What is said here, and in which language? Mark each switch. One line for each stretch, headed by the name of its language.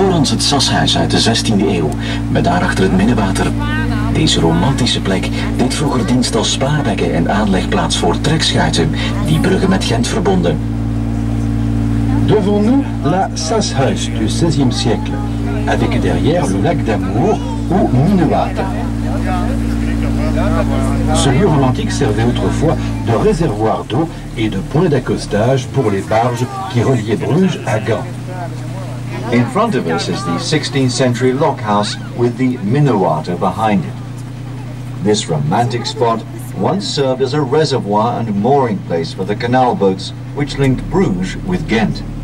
Dutch: Het Sashuis uit de 16e eeuw, met daarachter het Minnewater. Deze romantische plek deed vroeger dienst als spaarbekken en aanlegplaats voor trekschuiten die bruggen met Gent verbonden.
French: Devant nous, la Sashuis du 16e siècle, avec derrière le lac d'amour ou Minnewater. Ce lieu romantique servait autrefois de réservoir d'eau et de point d'accostage pour les barges qui reliaient Bruges à Gand.
English: In front of us is the 16th century lock house with the Minnewater behind it. This romantic spot once served as a reservoir and mooring place for the canal boats which linked Bruges with Ghent.